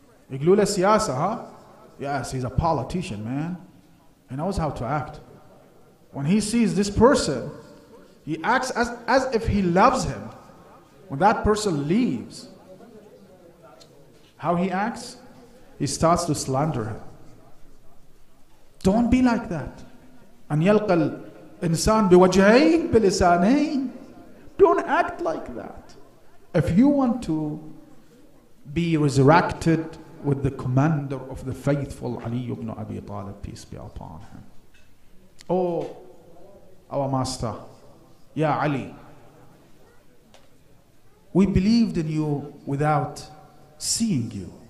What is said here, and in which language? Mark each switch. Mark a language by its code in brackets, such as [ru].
[en] Iglula siyasa, huh? Yes, he's a politician, man. He knows how to act. When he sees this person, he acts as if he loves him. When that person leaves, how he acts? He starts to slander him. Don't be like that. [ar] أن يلقى الإنسان بوجهين بلسانين. [en] Don't act like that. If you want to be resurrected with the commander of the faithful, Ali ibn Abi Talib, peace be upon him. Oh, our master, Ya Ali, we believed in you without seeing you.